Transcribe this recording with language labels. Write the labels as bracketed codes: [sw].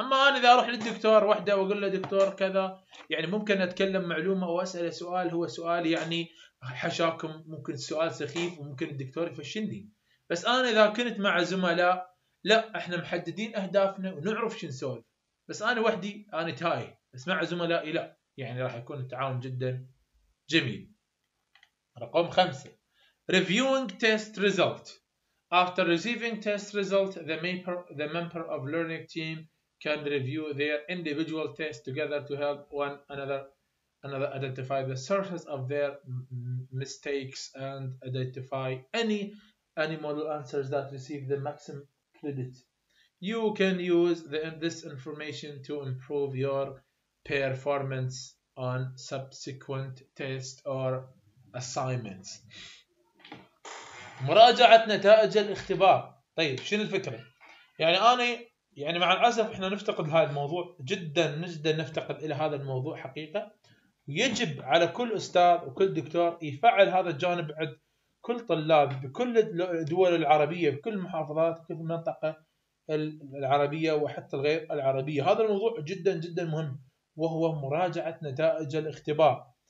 [ar] أما أنا إذا أروح للدكتور وحده وأقول له دكتور كذا، يعني ممكن أتكلم معلومة وأسأله سؤال هو سؤال يعني حشاكم، ممكن السؤال سخيف وممكن الدكتور يفشلني. بس أنا إذا كنت مع زملاء لا، إحنا محددين أهدافنا ونعرف شو نسوي، بس أنا وحدي أنا تاي، بس مع زملائي لا، يعني راح يكون التعاون جدا جميل. رقم 5 [en] reviewing test result. After receiving test result, the member of learning team can review their individual tests together to help one another identify the sources of their mistakes and identify any model answers that receive the maximum credit. You can use this information to improve your performance on subsequent tests or assignments. [ar] مراجعة نتائج الاختبار. طيب شنو الفكرة؟ يعني أنا يعني مع الأسف إحنا نفتقد هذا الموضوع جدا نفتقد إلى هذا الموضوع حقيقة، ويجب على كل أستاذ وكل دكتور يفعل هذا الجانب عند كل طلاب بكل الدول العربية بكل محافظات بكل المنطقة العربية وحتى الغير العربية. هذا الموضوع جدا مهم، وهو مراجعة نتائج الاختبار.